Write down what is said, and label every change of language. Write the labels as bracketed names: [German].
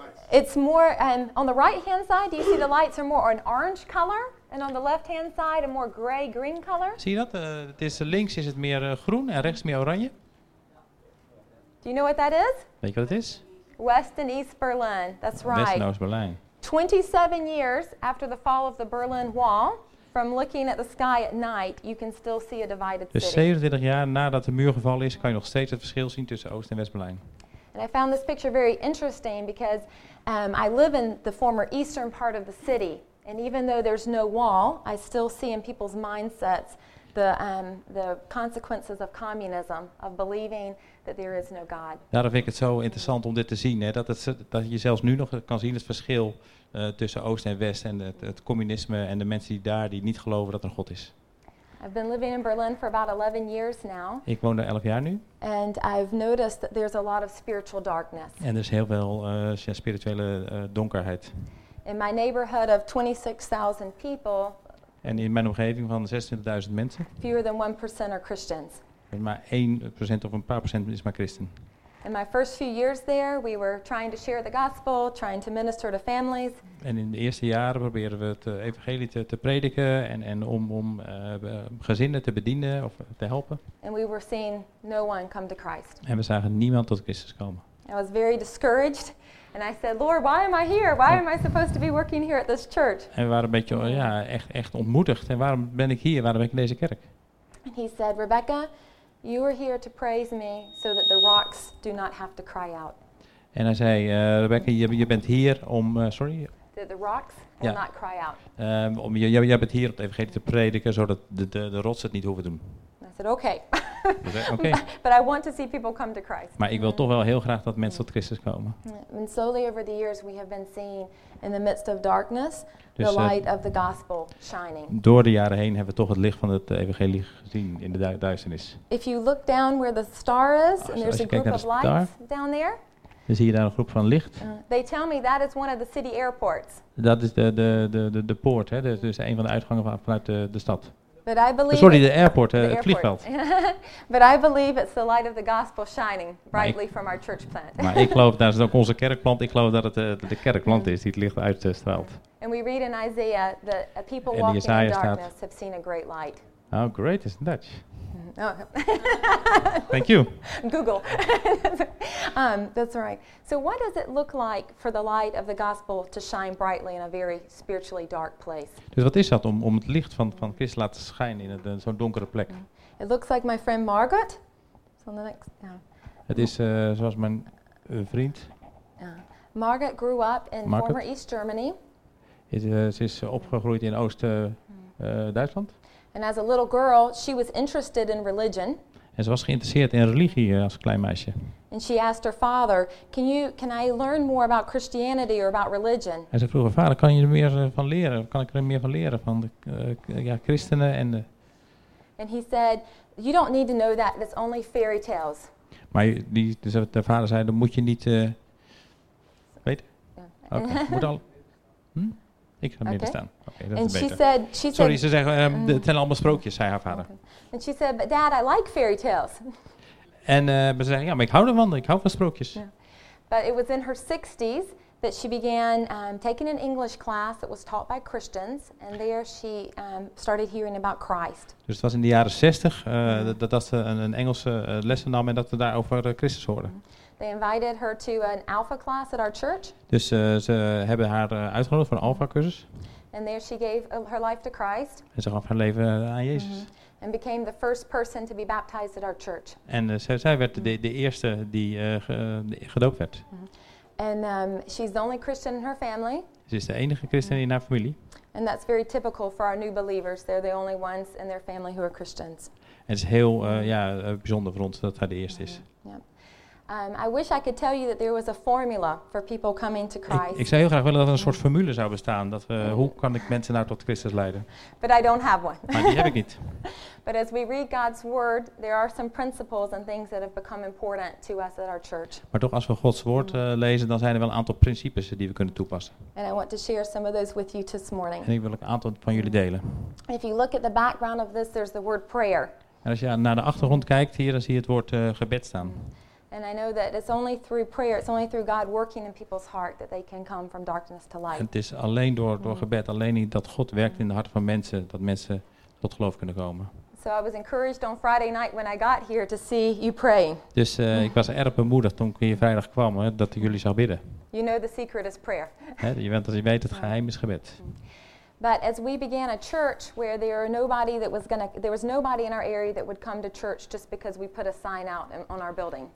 [English] It's more on the right hand side. Do you see the lights are more an orange color? And on the left-hand side, a more gray-green color. [Dutch] Zie je dat? Het is links is het meer groen en rechts meer oranje. [English] Do you know what that is? [Dutch] Weet je wat het is? [English] West and East Berlin. That's right. [Dutch] West en Oost-Berlijn. [English] 27 years after the fall of the Berlin Wall, from looking at the sky at night, you can still see a divided city. [Dutch] Dus 27 jaar nadat de muur gevallen is, kan je nog steeds het verschil zien tussen Oost- en West-Berlijn. [English] And I found this picture very interesting because I live in the former eastern part of the city. And even though there's no wall, I still see in people's mindsets the consequences of communism, of believing that there is no God. [Dutch] Daarom vind ik het zo interessant om dit te zien, hè, dat je zelfs nu nog kan zien het verschil tussen Oost en West en het communisme en de mensen die daar die niet geloven dat er een God is. [English] I've been living in Berlin for about 11 years now. [Dutch] Ik woon daar 11 jaar nu. [English] And I've noticed that there's a lot of spiritual darkness. [Dutch] En er is heel veel spirituele donkerheid. [English] In my neighborhood of 26,000 people. [Dutch] En in mijn omgeving van 26.000 mensen. [English] Fewer than 1% are Christians. [Dutch] Maar 1% of een paar procent is maar christen. [English] In my first few years there, we were trying to share the gospel, trying to minister to families. [Dutch] En in de eerste jaren proberen we het evangelie te prediken en gezinnen te bedienen of te helpen. [English] And we were seeing no one come to Christ. [Dutch] En we zagen niemand tot Christus komen. [English] I was very discouraged and I said, Lord, why am I here? Why am I supposed to be working here at this church? [Dutch] En we waren een beetje echt ontmoedigd. En waarom ben ik hier? Waarom ben ik in deze kerk? [English] And he said, Rebekah, you are here to praise me so that the rocks do not have to cry out. [Dutch] En hij zei, Rebekah, je bent hier om, [English] The rocks will not cry out. [Dutch] Jij bent hier om het evangelie te prediken, zodat de rots het niet hoeven doen. [English] I said, okay. Okay. But I want to see people come to Christ. [Dutch] Maar ik wil toch wel heel graag dat mensen tot Christus komen. [English] And slowly over the years we have been seeing in the midst of darkness the light of the gospel shining. [Dutch] Door de jaren heen hebben we toch het licht van het evangelie gezien in de duisternis. [English] If you look down where the star is and there's a group of lights down there. [Dutch] Dan zie je daar een groep van licht. [English] They tell me that is one of the city airports. [Dutch] Dat is de poort, hè? Dus een van de uitgangen vanuit de stad. [English] But I believe the airport, [Dutch] het vliegveld. [English] But I believe it's the light of the gospel shining brightly from our church plant. [Dutch] Maar ik geloof dat is ook onze kerkplant. Ik geloof dat het de kerkplant is die het licht uitstraalt. [English] And we read in Isaiah that a people walking in darkness have seen a great light. How great is that? Oh. Thank you. Google. that's right. So what does it look like for the light of the gospel to shine brightly in a very spiritually dark place? [Dutch] Dus wat is dat om het licht van Christus laten schijnen in zo'n donkere plek? [English] It looks like my friend Margaret. It's on the next. [Dutch] Het is zoals mijn vriend. [English] Margaret grew up in former East Germany. [Dutch] Ze is opgegroeid in Oost Duitsland. [English] And as a little girl, she was interested in religion. [Dutch] En ze was geïnteresseerd in religie als klein meisje. [English] And she asked her father, can I learn more about Christianity or about religion? [Dutch] En ze vroeg haar vader, kan je er meer van leren? Kan ik er meer van leren van de christenen en de. [English] And he said, you don't need to know that. It's only fairy tales. [Dutch] Maar de vader zei, dan moet je niet weten. Oké, moet al. Ik ga midden staan. Ze zeggen, het zijn allemaal sprookjes, zei haar vader. [English] And she said, but dad, I like fairy tales. [Dutch] En ze zeggen, ja, maar ik hou van sprookjes. Yeah. [English] But it was in her 60s that she began taking an English class that was taught by Christians, and there she started hearing about Christ. [Dutch] Dus het was in de jaren 60 dat ze een Engelse lessen nam en dat ze daarover Christus hoorden. [English] They invited her to an alpha class at our church. [Dutch] Dus ze hebben haar uitgenodigd voor een alpha cursus. [English] And there she gave her life to Christ. [Dutch] En ze gaf haar leven aan Jezus. Mm-hmm. [English] And became the first person to be baptized at our church. [Dutch] En zij werd de eerste die gedoopt werd. Mm-hmm. [English] And she's the only Christian in her family. [Dutch] Ze is de enige christen in haar familie. [English] And that's very typical for our new believers. They're the only ones in their family who are Christians. [Dutch] En het is heel bijzonder voor ons dat hij de eerste is. Mm-hmm. Yeah. [English] I wish I could tell you that there was a formula for people coming to Christ. [Dutch] Ik zou heel graag willen dat er een soort formule zou bestaan. Hoe kan ik mensen nou tot Christus leiden? [English] But I don't have one. [Dutch] Maar die heb ik niet. [English] But as we read God's word, there are some principles and things that have become important to us at our church. [Dutch] Maar toch, als we Gods woord lezen, dan zijn er wel een aantal principes die we kunnen toepassen. [English] And I want to share some of those with you this morning. [Dutch] En ik wil een aantal van jullie delen. [English] If you look at the background of this, there's the word prayer. [Dutch] En als je naar de achtergrond kijkt hier, dan zie je het woord gebed staan. [English] And I know that it's only through prayer, it's only through God working in people's heart that they can come from darkness to light. [Dutch] Het is alleen door gebed, alleen niet dat God werkt in de hart van mensen, dat mensen tot geloof kunnen komen. [English] So I was encouraged on Friday night when I got here to see you praying. [Dutch] Dus ik was erg bemoedigd toen ik hier vrijdag kwam, dat ik jullie zou bidden. [English] You know the secret is prayer. [Dutch] Je weet het geheim is gebed. [English] But as we began a church where there was nobody in our area that would come to church just because we put a sign out on our building.